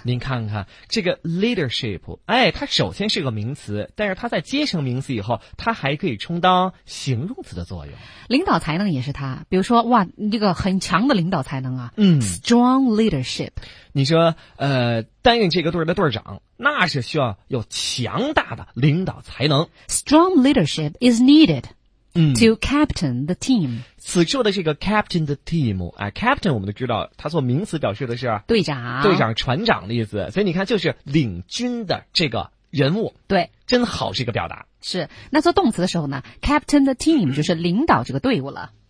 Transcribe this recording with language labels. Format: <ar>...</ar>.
<zh>您看看这个 leadership， 哎，它首先是个名词，但是它在接成名词以后，它还可以充当形容词的作用。领导才能也是它，比如说哇，这个很强的领导才能啊，嗯，</zh> <en>strong leadership。</en> <zh>你说担任这个队的队长，那是需要有强大的领导才能。</zh> <en>strong leadership is needed to captain the team。</en> <zh>此处的这个 captain the team， 哎 ，captain 我们都知道，它做名词表示的是队长、船长的意思，所以你看就是领军的这个人物，对，真好是一个表达。是，那做动词的时候呢 ，captain the team 就是领导这个队伍了，</zh>